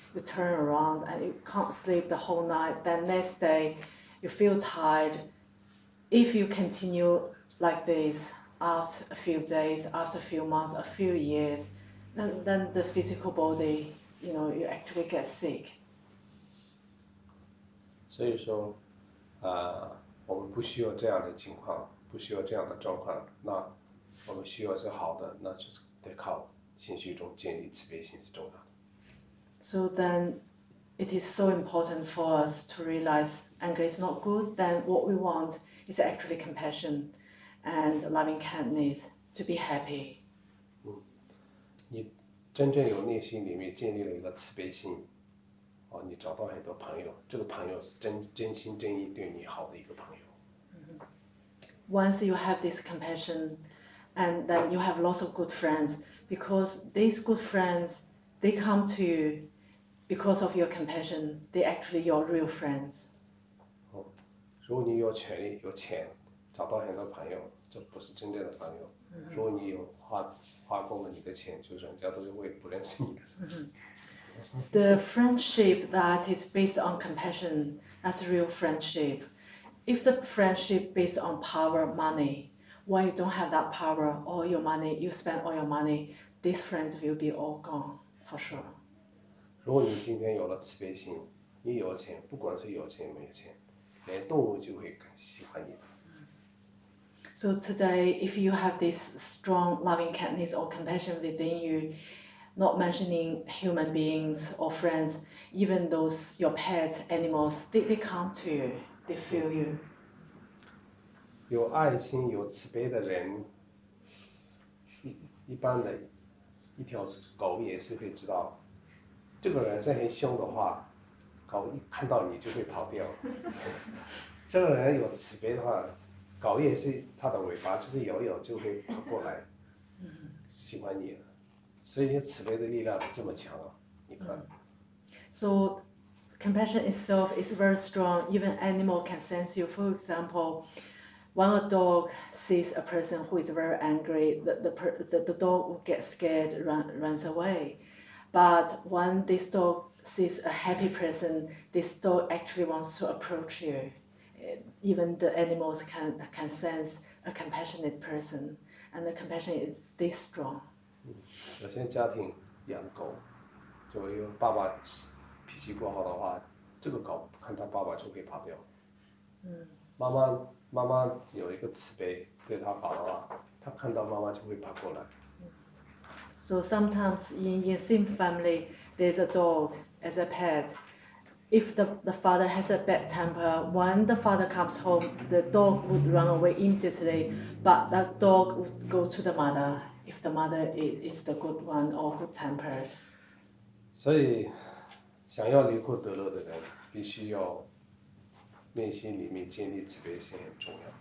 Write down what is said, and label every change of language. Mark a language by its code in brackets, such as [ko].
[en] You turn around and you can't sleep the whole night. Then next day, you feel tired. If you continue like this,after a few days, after a few months, a few years, then the physical body, you know, you actually get sick. [zh] 所以说，我们不需要这样的情况，不需要这样的状况。那我们需要是好的，那就是得靠心绪中建立慈悲心是重要的。 [en] So then, it is so important for us to realize anger is not good. Then what we want is actually compassion. And loving kindness to be happy. [zh] 嗯，你真正有内心里面建立了一个慈悲心，哦，你找到很多朋友，这个朋友是真心真意对你好的一个朋友。 Mm-hmm. [en] Once you have this compassion, and then you have lots of good friends, because these good friends, they come to you because of your compassion. They actually your real friends. [zh] 哦，如果你有权利，有钱。找到很多朋友，这不是真正的朋友。如果你有花光了你的钱，就是人家都会不认识你的。 [en] The friendship that is based on compassion, that's real friendship. If the friendship based on power, money, when you don't have that power, all your money, you spend all your money, these friends will be all gone for sure. [zh] 如果你今天有了慈悲心，你有钱，不管是有钱没有钱，连动物就会喜欢你的。 [en] So today, if you have this strong loving kindness or compassion within you, not mentioning human beings or friends, even those your pets, animals, they come to you, they feel you. [zh] 有爱心、有慈悲的人，一般的，一条狗也是会知道，这个人是很凶的话，狗一看到你就会跑掉。这个人有慈悲的话。狗也是它的尾巴，就是摇摇就会跑过来，喜欢你，所以慈悲的力量是这么强啊！你看。 [en] So, compassion itself is very strong. Even animal can sense you. For example, when a dog sees a person who is very angry, the dog will get scared, runs away. But when this dog sees a happy person, this dog actually wants to approach you. Even the animals can sense a compassionate person, and the compassion is this strong. [zh] 有些家庭养狗，就因为爸爸脾气不好的话，这个狗看到爸爸就会跑掉。嗯。妈妈有一个慈悲对他好的话，他看到妈妈就会跑过来。 [en] So sometimes in same family, there's a dog as a pet. If the father has a bad temper, when the father comes home, the dog would run away immediately, but that dog would go to the mother if the mother is the good one or good tempered. [zh] 所以，想要离苦得乐的人，必须要内心里面建立慈悲心很重要。